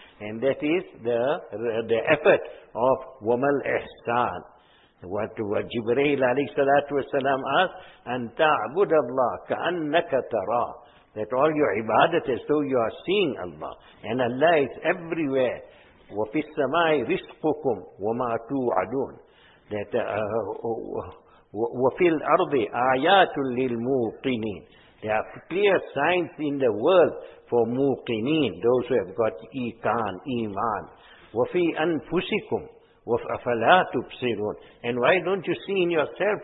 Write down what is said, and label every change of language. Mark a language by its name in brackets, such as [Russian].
[English] And that is the effort of Wamal Ihsan. What Jibreel alayhi salatu wasalam asked, [Arabic] أن تعبد الله كأنك ترى. [English] That all your ibadat is though you are seeing Allah. And Allah is everywhere. [Arabic] وَفِي السَّمَاءِ رِزْقُكُمْ وَمَا تُوْعَدُونَ. That وَفِي الْأَرْضِ آيَاتٌ لِلْمُوْقِنِينَ. [English] There are clear signs in the world for muqineen, those who have got iqan, iman. [Arabic] وَفِي أَنفُسِكُمْ وَفَلَا تُبْصِرُونَ. [English] And why don't you see in yourself?